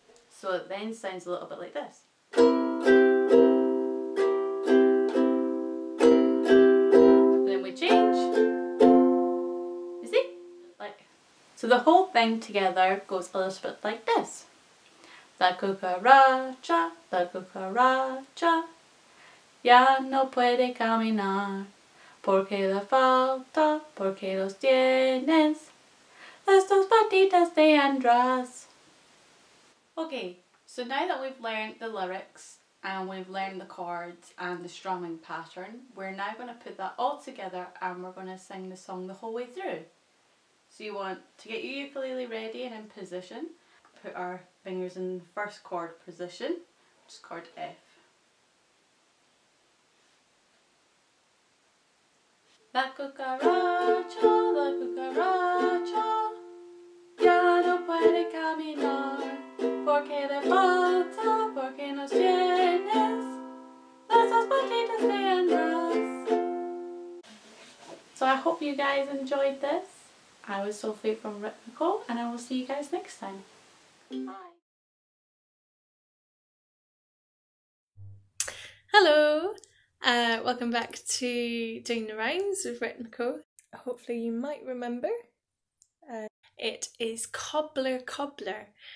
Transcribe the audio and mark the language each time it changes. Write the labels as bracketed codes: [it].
[en] So it then sounds a little bit like this. And then we change. You see? Like, so the whole thing together goes a little bit like this. [es] La cucaracha, la cucaracha, ya no puede caminar, porque le falta, porque los tienes, las dos patitas de András. [en] Okay, so now that we've learned the lyrics and we've learned the chords and the strumming pattern, we're now going to put that all together and we're going to sing the song the whole way through. So you want to get your ukulele ready and in position, put our fingers in first chord position, which is chord F. [es] La cucaracha, la cucaracha, ya no puede caminar, porque le falta, porque no tienes las dos patitas de András. [en] So I hope you guys enjoyed this. I was Sophie from Ritmico, and I will see you guys next time. Hello, welcome back to Doing the Rhymes with Ritmico. Hopefully you might remember, it is cobbler, cobbler.